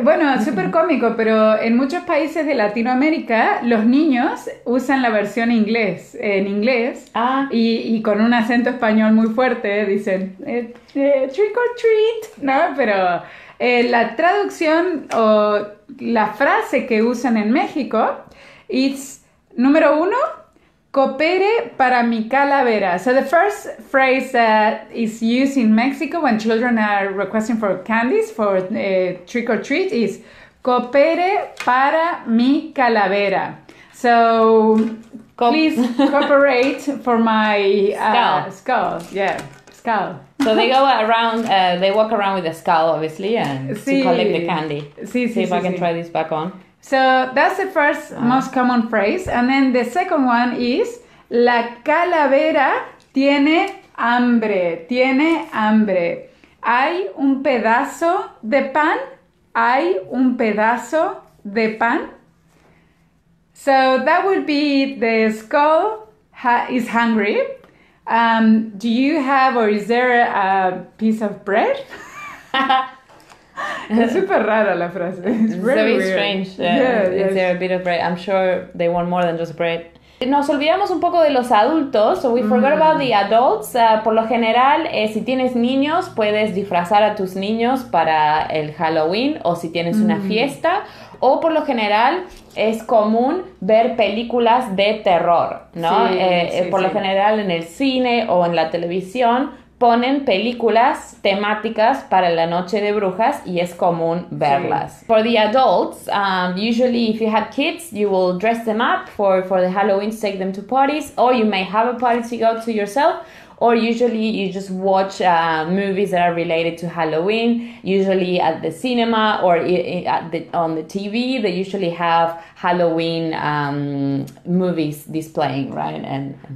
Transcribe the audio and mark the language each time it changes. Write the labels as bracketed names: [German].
[Spanish] Bueno, súper cómico, pero en muchos países de Latinoamérica los niños usan la versión en inglés y con un acento español muy fuerte dicen trick or treat, ¿no? Pero la traducción o la frase que usan en México es, número uno, coopere para mi calavera. [English] So the first phrase that is used in Mexico when children are requesting for candies, for trick or treat, is [Spanish] coopere para mi calavera. [English] So please cooperate for my skull. Yeah, skull. So they go around, they walk around with a skull, obviously, and to collect the candy. See if I can try this back on. So that's the first most common phrase. And then the second one is, [Spanish] la calavera tiene hambre, tiene hambre. Hay un pedazo de pan, hay un pedazo de pan. [English] So that would be, the skull is hungry. Do you have or is there a piece of bread? [Spanish] Es super rara la frase. [English] It's very, very weird. Strange. Yeah, is there a bit of bread? I'm sure they want more than just bread. [Spanish] Nos olvidamos un poco de los adultos. [English] So we forgot about the adults. [Spanish] Por lo general, si tienes niños, puedes disfrazar a tus niños para el Halloween o si tienes una fiesta. O por lo general, es común ver películas de terror, ¿no? Sí, por lo general, en el cine o en la televisión, ponen películas temáticas para la noche de brujas y es común verlas. [English] Sí. For the adults, usually if you have kids, you will dress them up for the Halloween, take them to parties, or you may have a party to go to yourself, or usually you just watch movies that are related to Halloween, usually at the cinema or on the TV, they usually have Halloween movies displaying, right?